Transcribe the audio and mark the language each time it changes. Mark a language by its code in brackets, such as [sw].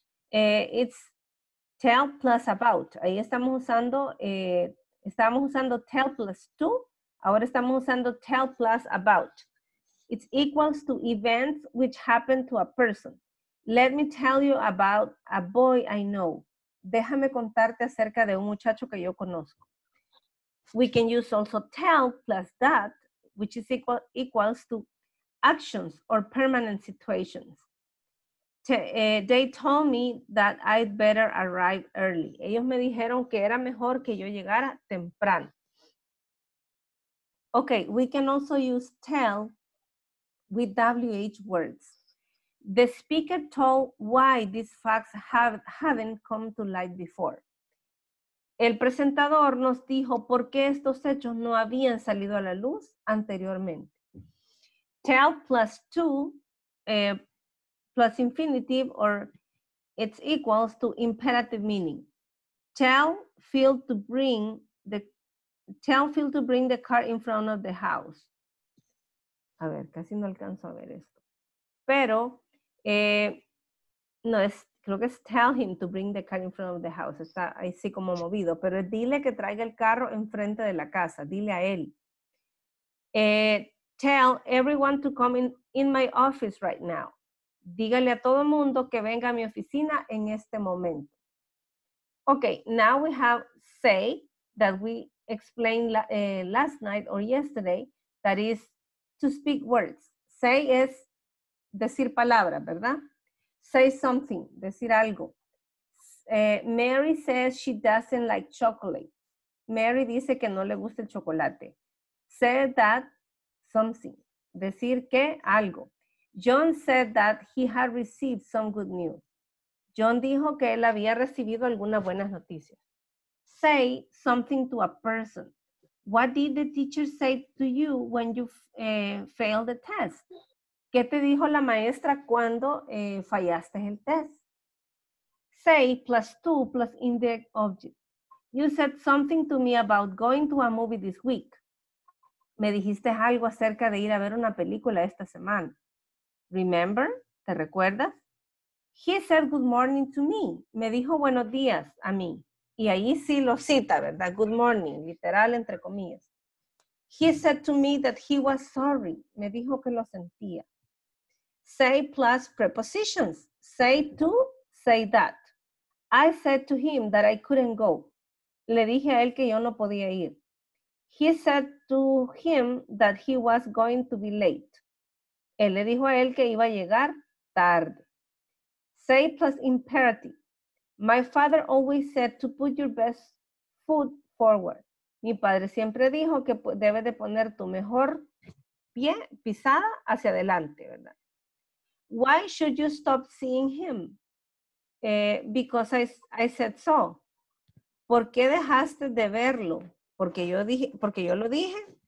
[en] It's tell plus about. [es] Ahí estamos usando [en] tell plus to. [es] Ahora estamos usando tell plus about. [en] It's equals to events which happen to a person. Let me tell you about a boy I know. [es] Déjame contarte acerca de un muchacho que yo conozco. [en] We can use also tell plus that, which is equals to actions or permanent situations. They told me that I'd better arrive early. [es] Ellos me dijeron que era mejor que yo llegara temprano. [en] Okay, we can also use tell with WH words. The speaker told why these facts haven't come to light before. [es] El presentador nos dijo por qué estos hechos no habían salido a la luz anteriormente. [en] Tell plus to plus infinitive or it's equals to imperative meaning. Tell failed to bring the car in front of the house. [es] A ver, casi no alcanzo a ver esto. Pero, no, es, creo que es [en] tell him to bring the car in front of the house. [es] Está ahí sí como movido. Pero es dile que traiga el carro enfrente de la casa. Dile a él. [en] Tell everyone to come in my office right now. [es] Dígale a todo el mundo que venga a mi oficina en este momento. [en] Okay, now we have say that we explained last night or yesterday, that is to speak words. [es] Say es decir palabras, ¿verdad? [en] Say something, [es] decir algo. [en] Mary says she doesn't like chocolate. [es] Mary dice que no le gusta el chocolate. [en] Say that something, [es] decir que algo. [en] John said that he had received some good news. [es] John dijo que él había recibido algunas buenas noticias. [en] Say something to a person. What did the teacher say to you when you failed the test? [es] ¿Qué te dijo la maestra cuando fallaste el test? [en] Say plus two plus indirect object. You said something to me about going to a movie this week. [es] Me dijiste algo acerca de ir a ver una película esta semana. [en] Remember? [es] ¿Te recuerdas? [en] He said good morning to me. [es] Me dijo buenos días a mí. Y ahí sí lo cita, ¿verdad? Good morning, literal, entre comillas. [en] He said to me that he was sorry. [es] Me dijo que lo sentía. [en] Say plus prepositions. Say to, say that. I said to him that I couldn't go. [es] Le dije a él que yo no podía ir. [en] He said to him that he was going to be late. [es] Él le dijo a él que iba a llegar tarde. [en] Say plus imperative. My father always said to put your best foot forward. [es] Mi padre siempre dijo que debes de poner tu mejor pie, pisada, hacia adelante, ¿verdad? [en] Why should you stop seeing him? Because I said so. [es] ¿Por qué dejaste de verlo? Porque yo lo dije.